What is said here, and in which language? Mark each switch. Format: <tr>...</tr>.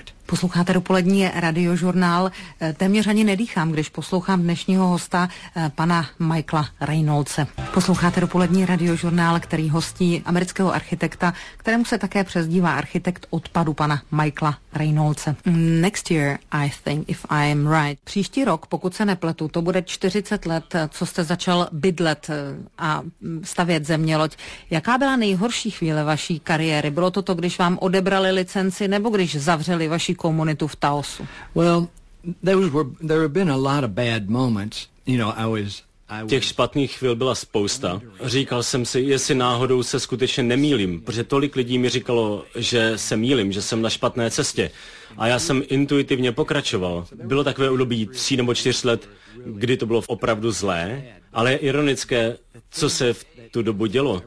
<cs>Posloucháte dopolední radiožurnál. Téměř ani nedýchám, když poslouchám dnešního hosta, pana Michaela Reynoldse. Posloucháte dopolední radiožurnál, který hostí amerického architekta, kterému se také přezdívá architekt odpadu, pana Michaela Reynoldse.</cs> <en>Next year, I think, if I'm right.</en> <cs>Příští rok, pokud se nepletu, to bude 40 let, co jste začal bydlet a stavět zeměloď. Jaká byla nejhorší chvíle vaší kariéry? Bylo to to, když vám odebrali licenci nebo když zavřeli vaši komunitu v Taosu?</cs> <en>Well, there have been a lot of bad moments. You know,</en> <cs>těch špatných chvil byla spousta. Říkal jsem si, jestli náhodou se skutečně nemýlím, protože tolik lidí mi říkalo, že se mýlím, že jsem na špatné cestě. A já jsem intuitivně pokračoval. Bylo takové období 3 nebo 4 let, kdy to bylo opravdu zlé, ale ironické, co se v tu dobu dělo.</cs>